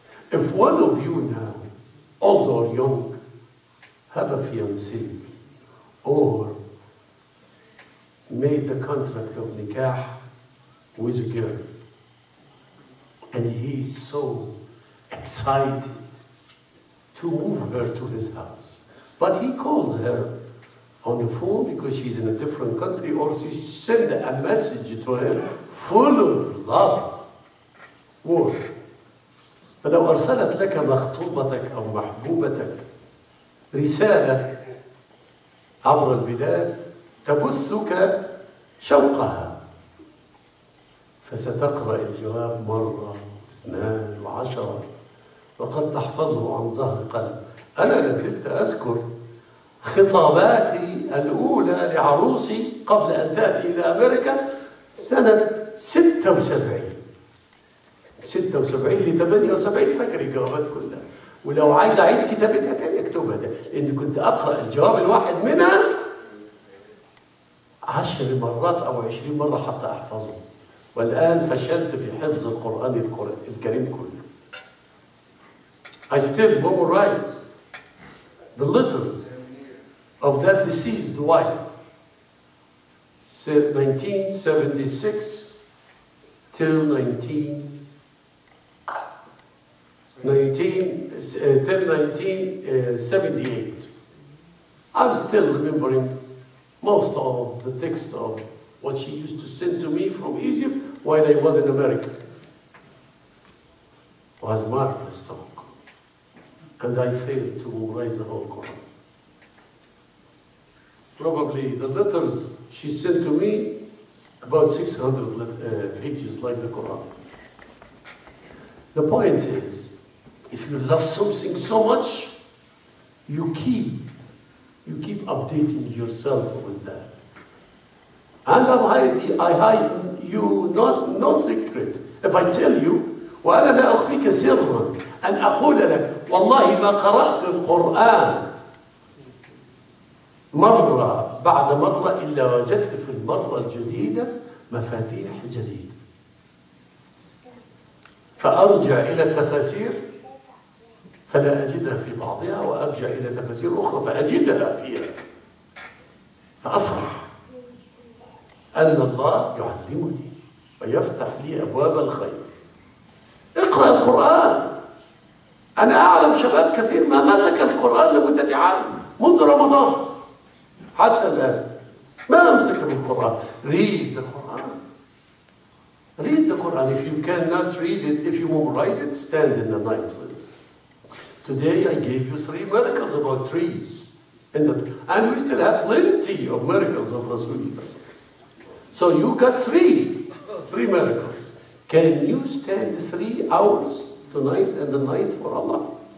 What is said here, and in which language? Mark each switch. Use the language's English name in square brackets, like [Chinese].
[English] If one of you now, old or young, have a fiancé, or made the contract of nikah with a girl, and he's so excited to move her to his house, but he calls her on the phone because she's in a different country, or she send a message to him full of love. [Arabic] فلو أرسلت لك مخطوبتك أو محبوبتك رسالة عبر البلاد تبثك شوقها فستقرأ الجواب مرة اثنان وعشرة وقد تحفظه عن ظهر قلب. أنا لازلت أذكر خطاباتي الأولى لعروسي قبل أن تأتي إلى أمريكا سنة 76 76 ل 78 فاكر الجوابات كلها، ولو عايز اعيد كتابتها تاني اكتبها تاني، لاني كنت اقرا الجواب الواحد منها 10 مرات او 20 مره حتى احفظه، والان فشلت في حفظ القران الكريم كله. [English] I still memorize the letters of that deceased wife 1976 till 1978. I'm still remembering most of the text of what she used to send to me from Egypt while I was in America. It was marvelous talk. And I failed to memorize the whole Quran. Probably the letters she sent to me, about 600 pages like the Quran. The point is, if you love something so much, you keep updating yourself with that. And I hide you no secret. If I tell you, [Arabic] وَأَنَا لَا أَخْفِيكَ سِرًّا أَنْ أَقُولَ لَكَ وَاللَّهِ مَا قَرَأْتُ الْقُرْآنَ مَرَّة بَعْدَ مَرَّة إِلَّا وَجَدْتُ فِي الْمَرَّة الْجَدِيدَةِ مَفَاتِيحَ جَدِيدَةً فَأَرْجَعْ إِلَى التَّفَاسِيرِ فلا أجدها في بعضها وأرجع إلى تفاسير أخرى فأجدها فيها فأفرح أن الله يعلمني ويفتح لي أبواب الخير. اقرأ القرآن. أنا أعلم شباب كثير ما مسك القرآن لمدة عام منذ رمضان حتى الآن ما أمسك بالقرآن. [English] Read the Quran. Read the Quran. If you cannot read it, if you won't write it, stand in the night with it. Today I gave you 3 miracles about trees. And we still have plenty of miracles of Rasulullah. So you got 3 miracles. Can you stand 3 hours tonight and the night for Allah?